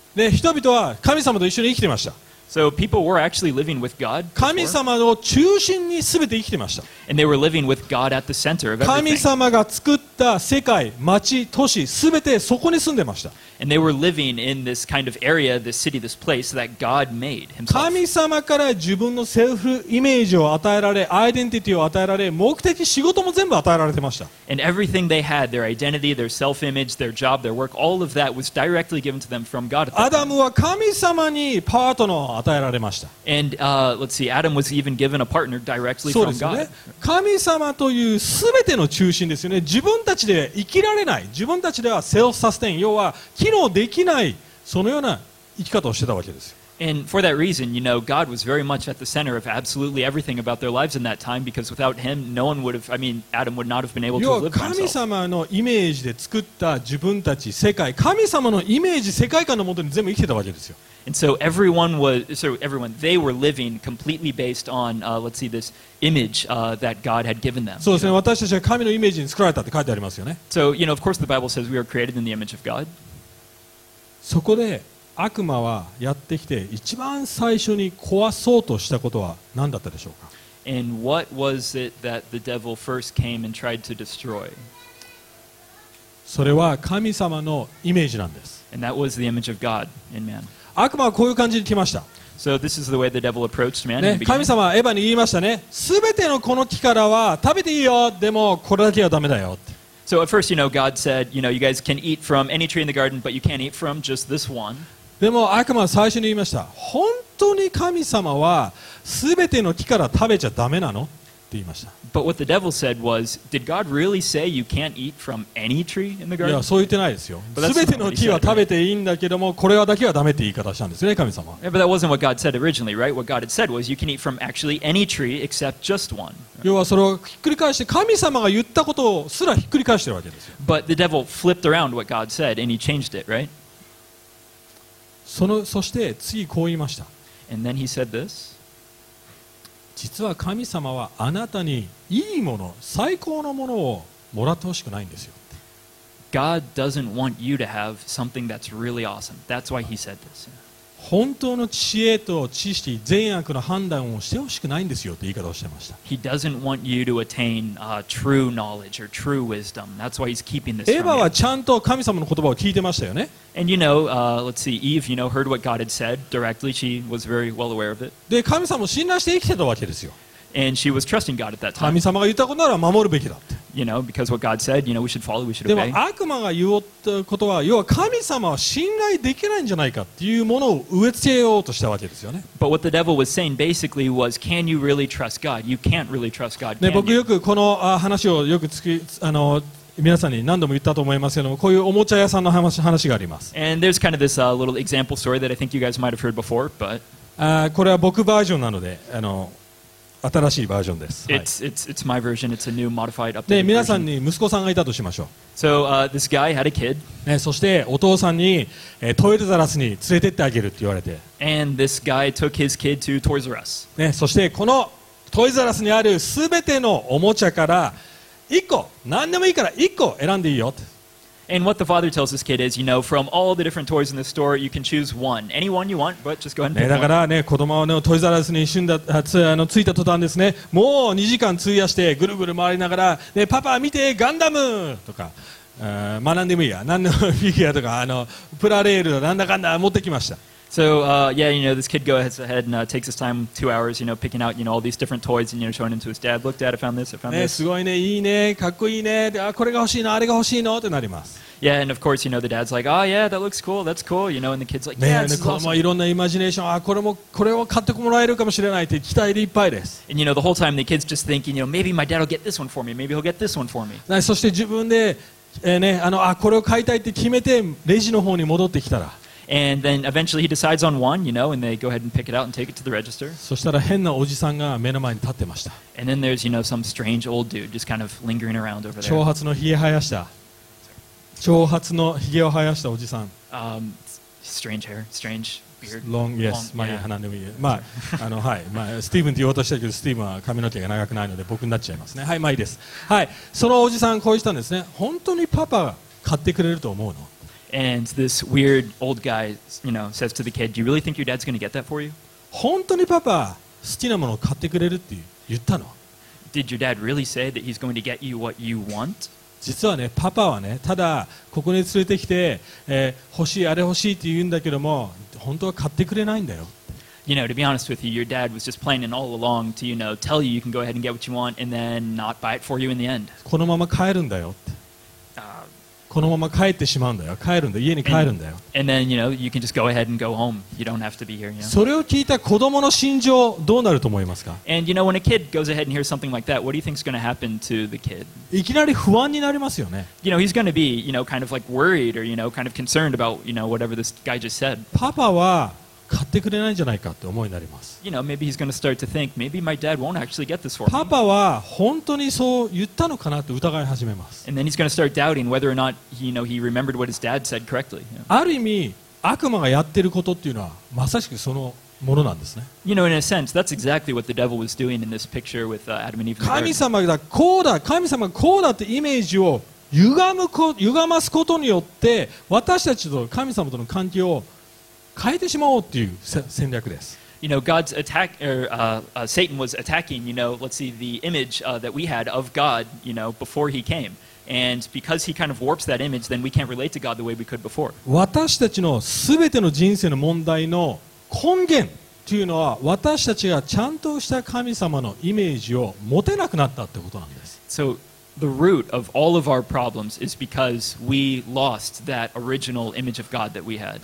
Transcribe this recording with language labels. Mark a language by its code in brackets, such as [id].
[ja] で、人々は神様と一緒に生きてました。 [en] So people were actually living with God. [ja] 神様の中心に全て生きてました。 [en] And they were living with God at the center of everything. [ja] 神様が作った世界、町、都市、全てそこに住んでました。 [en] And they were living in this kind of area, this city, this place that God made himself. [ja] 神様から自分のセルフイメージを与えられ、アイデンティティを与えられ、目的、仕事も全部与えられてました。 [en] And everything they had, their identity, their self-image, their job, their work, all of that was directly given to them from God. [ja] アダムは神様にパートナー与えられました。 [en] And let's see, Adam was even given a partner directly from God. [ja] そうですね。神様という全ての中心ですよね。自分たちで生きられない。自分たちではセルフサステイン、要は機能できない、そのような生き方をしてたわけです。 [en] And for that reason, you know, God was very much at the center of absolutely everything about their lives in that time because without him, no one would have, I mean, Adam would not have been able to live for himself. [ja] 神様のイメージで作った自分たち、世界、神様のイメージ、世界観のもとに全部生きてたわけですよ。 [en] And so everyone was, so everyone, they were living completely based on, let's see, this image that God had given them. [ja] そうですね。私たちは神のイメージに作られたって書いてありますよね。 [en] So, you know, of course the Bible says we are created in the image of God. [ja] そこで、悪魔はやってきて一番最初に壊そうとしたことは何だったでしょうか? [en] And what was it that the devil first came and tried to destroy? [ja] それは神様のイメージなんです。 [en] And that was the image of God in man. [ja] 悪魔はこういう感じに来ました。 [en] So this is the way the devil approached man. [ja] ね、神様はエヴァに言いましたね。すべてのこの木からは食べていいよ。でもこれだけはダメだよって。 [en] So at first, you know, God said, you know, you guys can eat from any tree in the garden, but you can't eat from just this one. [ja] でも悪魔は最初に言いました。本当に神様は全ての木から食べちゃダメなの? って言いました。 [en] But what the devil said was, did God really say you can't eat from any tree in the garden? [ja] いや、そう言ってないですよ。全ての木は食べていいんだけども、これはだけはダメって言い方したんですね、神様は。 [en] Yeah, but that wasn't what God said originally, right? What God had said was you can eat from actually any tree except just one. [ja] 要はそれをひっくり返して、神様が言ったことすらひっくり返してるわけですよ。 [en] But the devil flipped around what God said and he changed it, right? [ja] そして次こう言いました。 [en] And then he said this. [ja] 実は神様はあなたにいいもの、最高のものをもらってほしくないんですよ。 [en] God doesn't want you to have something that's really awesome. That's why he said this. [ja] 本当の知恵と知識、善悪の判断をしてほしくないんですよって言い方をしてました。 [en] He doesn't want you to attain true knowledge or true wisdom. That's why he's keeping this from you. [ja] エヴァはちゃんと神様の言葉を聞いてましたよね。 [en] And you know, let's see, Eve, you know, heard what God had said directly. She was very well aware of it. [ja] で、神様を信頼して生きてたわけですよ。 [en] And she was trusting God at that time. [ja] 神様が言ったことなら守るべきだって。 [en] You know, because what God said, you know, we should follow, we should obey. [ja] でも悪魔が言ったことは、要は神様は信頼できないんじゃないかっていうものを植え付けようとしたわけですよね。 [en] But what the devil was saying basically was, can you really trust God? You can't really trust God. [ja] ね、僕よくこの話をよくつき、皆さんに何度も言ったと思いますけども、こういうおもちゃ屋さんの話があります。 [en] And there's kind of this little example story that I think you guys might have heard before, but [ja] これは僕バージョンなので、新しいバージョンです。 [en] It's my version. It's a new modified update. [ja] 皆さんに息子さんがいたとしましょう。 [en] So this guy had a kid. [ja] ね、そしてお父さんにトイレザラスに連れてってあげるって言われて。 [en] And this guy took his kid to Toys R Us. [ja] ね、そしてこのトイザラスにあるすべてのおもちゃから一個、何でもいいから一個選んでいいよって。 [en] And what the father tells this kid is, you know, from all the different toys in the store, you can choose one. Any one you want, but just go ahead and pick one. [ja] だからね、子供はね、トイザラスに一瞬だ、ついた途端ですね、もう2時間費やしてぐるぐる回りながら、ね、パパ見て、ガンダムとか、学んでもいいや。何のフィギュアとかあのプラレールなんだかんだ持ってきました。 [en] So, yeah, you know, this kid goes ahead and takes his time, 2 hours, you know, picking out, you know, all these different toys and, you know, showing them to his dad. Look, dad, I found this, I found this. [ja] ね、すごいね、いいね、かっこいいね、あ、これが欲しいの、あれが欲しいのってなります。 [en] Yeah, and of course, you know, the dad's like, oh, yeah, that looks cool, that's cool, you know, and the kid's like, yeah, this is awesome. [ja] いろんなイマジネーション、あ、これも、これを買ってもらえるかもしれないって期待でいっぱいです。 [en] And, you know, the whole time, the kid's just thinking, you know, maybe my dad will get this one for me, maybe he'll get this one for me. [ja] そして自分で、ね、あの、あ、これを買いたいって決めて、レジの方に戻ってきたら、 [en] And then eventually he decides on one, you know, and they go ahead and pick it out and take it to the register. [ja] そしたら変なおじさんが目の前に立ってました。 [en] And then there's, you know, some strange old dude just kind of lingering around over there. [ja] 長髪のひげ生やした。長髪のひげを生やしたおじさん。 [en] Strange hair, strange beard. Long, yes. [ja] まあ、鼻でもいい。まあ、あの、はい。まあ、スティーブンって言おうとしたけど、スティーブンは髪の毛が長くないので僕になっちゃいますね。はい、まあいいです。はい。そのおじさんこう言ったんですね。本当にパパ買ってくれると思うの？ [en] And this weird old guy, you know, says to the kid, "Do you really think your dad's going to get that for you?" [ja] 本当にパパ好きなものを買ってくれるって言ったの。 [en] Did your dad really say that he's going to get you what you want? [ja] 実はね、パパはね、ただここに連れてきて、欲しいあれ欲しいって言うんだけども、本当は買ってくれないんだよ。 [en] You know, to be honest with you, your dad was just planning all along to, you know, tell you you can go ahead and get what you want, and then not buy it for you in the end. [ja] このまま帰るんだよって。このまま帰ってしまうんだよ。帰るんだ。家に帰るんだよ。 [en] And then, you know, you can just go ahead and go home. You don't have to be here, you know? [ja] それを聞いた子供の心情、どうなると思いますか？ [en] And, you know, when a kid goes ahead and hears something like that, what do you think is going to happen to the kid? [ja] いきなり不安になりますよね。 [en] You know, he's going to be, you know, kind of like worried or, you know, kind of concerned about, you know, whatever this guy just said. [ja] パパは買ってくれないんじゃないかって思いになります。 [en] You know, maybe he's going to start to think, maybe my dad won't actually get this for me. [ja] パパは本当にそう言ったのかなって疑い始めます。 [en] And then he's going to start doubting whether or not he, you know, he remembered what his dad said correctly. [ja] ある意味、悪魔がやってることっていうのはまさしくそのものなんですね。 [en] You know, in a sense, that's exactly what the devil was doing in this picture with Adam and Eve. [ja] 神様がこうだ、神様がこうだってイメージを歪ますことによって私たちと神様との関係を変えてしまおうという戦略です。 [en] You know, God's attack, or Satan was attacking, you know, let's see, the image that we had of God, you know, before he came. And because he kind of warps that image, then we can't relate to God the way we could before. [ja] 私たちの全ての人生の問題の根源というのは、私たちがちゃんとした神様のイメージを持てなくなったってことなんです。 [en] So,The root of all of our problems is because we lost that original image of God that we had.